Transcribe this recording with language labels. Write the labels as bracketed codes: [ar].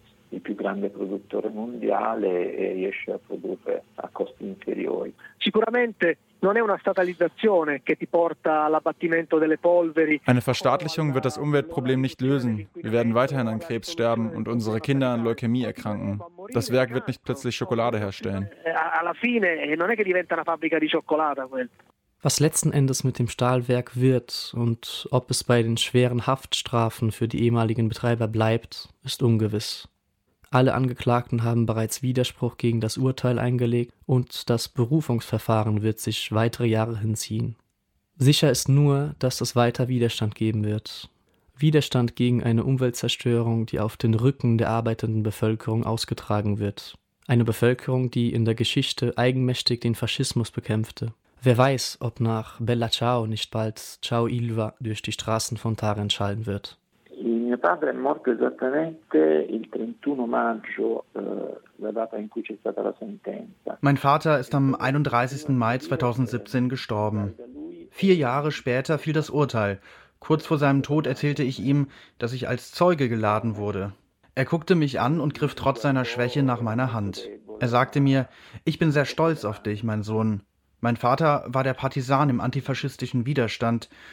[it] il più grande produttore mondiale e riesce a produrre a costi inferiori. Sicuramente non è una statalizzazione che ti porta all'abbattimento delle polveri. [de] Eine Verstaatlichung wird das Umweltproblem nicht lösen. Wir werden weiterhin an Krebs sterben und unsere Kinder an Leukämie erkranken. Das Werk wird nicht plötzlich Schokolade herstellen. [it] Alla fine non è che diventa una fabbrica di cioccolata quel. [de] Was letzten Endes mit dem Stahlwerk wird und ob es bei den schweren Haftstrafen für die ehemaligen Betreiber bleibt, ist ungewiss. Alle Angeklagten haben bereits Widerspruch gegen das Urteil eingelegt und das Berufungsverfahren wird sich weitere Jahre hinziehen. Sicher ist nur, dass es weiter Widerstand geben wird. Widerstand gegen eine Umweltzerstörung, die auf den Rücken der arbeitenden Bevölkerung ausgetragen wird. Eine Bevölkerung, die in der Geschichte eigenmächtig den Faschismus bekämpfte. Wer weiß, ob nach Bella Ciao nicht bald Ciao Ilva durch die Straßen von Taran schallen wird. [it] Mio padre è morto esattamente il 31 maggio, la data in cui c'è stata la sentenza. [de] Mein Vater ist am 31. Mai 2017 gestorben. Vier Jahre später fiel das Urteil. Kurz vor seinem Tod erzählte ich ihm, dass ich als Zeuge geladen wurde. Er guckte mich an und griff trotz seiner Schwäche nach meiner Hand. Er sagte mir: "Ich bin sehr stolz auf dich, mein Sohn." Mein Vater war der Partisan im antifaschistischen Widerstand.